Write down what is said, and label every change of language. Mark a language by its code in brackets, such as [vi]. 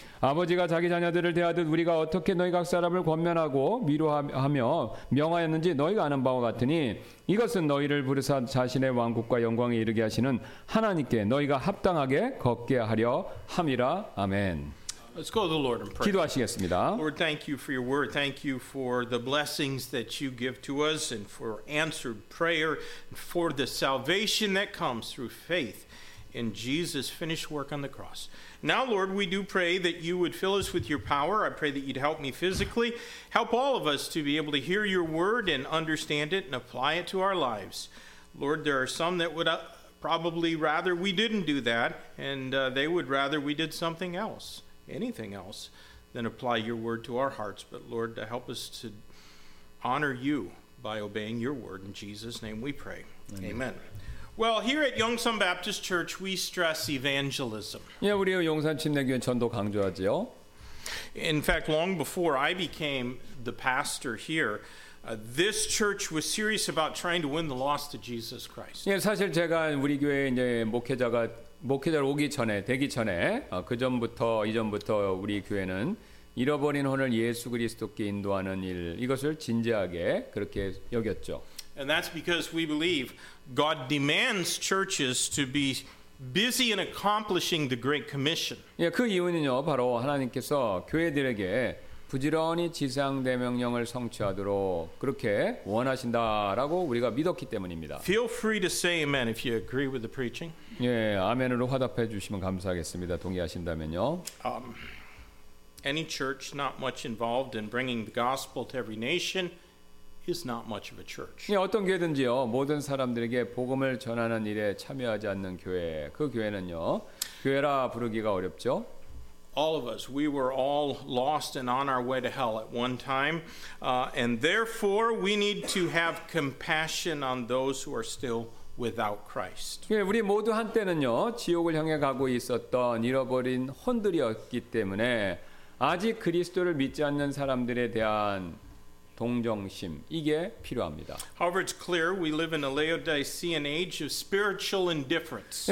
[ko] 아버지가 자기 자녀들을 대하듯 우리가 어떻게 너희 각 사람을 권면하고 위로하며 명하였는지 너희가 아는 바와 같으니 이것은 너희를 부르사 자신의 왕국과 영광에 이르게 하시는 하나님께 너희가 합당하게 걷게 하려 함이라. 아멘. [en] Let's go to the Lord and pray. [ko] 기도하시겠습니다. [en] Lord, thank you for your word. Thank you for the blessings that you give to us and for answered prayer and for the salvation that comes through faith in Jesus' finished work on the cross. Now, Lord, we do pray that you would fill us with your power. I pray that you'd help me physically. Help all of us to be able to hear your word and understand it and apply it to our lives. Lord, there are some that would probably rather we didn't do that, and they would rather we did something else, anything else, than apply your word to our hearts. But, Lord, to help us to honor you by obeying your word. In Jesus' name we pray. Amen. Amen. Well, here at Yongsan Baptist Church, we stress evangelism. [ko] Yeah, 우리 용산 침례교회 전도 강조하지요. [en] In fact, long before I became the pastor here, this church was serious about trying to win the lost to Jesus Christ. [ko] 예, 사실 제가 우리 교회 이제 목회자로 오기 전에 되기 전에 이전부터 우리 교회는 잃어버린 혼을 예수 그리스도께 인도하는 일 이것을 진지하게 그렇게 여겼죠. [en] And that's because we believe God demands churches to be busy in accomplishing the Great Commission. [ko] 예, 그 이유는요, 바로 하나님께서 교회들에게 부지런히 지상대 명령을 성취하도록 그렇게 원하신다라고 우리가 믿었기 때문입니다. [en] Feel free to say amen if you agree with the preaching. [ko] 예, 아멘으로 화답해 주시면 감사하겠습니다. 동의하신다면요. [en] Any church not much involved in bringing the gospel to every nation is not much of a church. [ko] 예, 어떤 교회든지요. 모든 사람들에게 복음을 전하는 일에 참여하지 않는 교회. 그 교회는요. 교회라 부르기가 어렵죠. [en] All of us, we were all lost and on our way to hell at one time, and therefore we need to have compassion on those who are still without Christ. [ko] 예, 우리 모두 한때는요, 지옥을 향해 가고 있었던 잃어버린 혼들이었기 때문에 아직 그리스도를 믿지 않는 사람들에 대한 동정심 이게 필요합니다. [en] However, it's clear we live in a Laodicean age of spiritual indifference.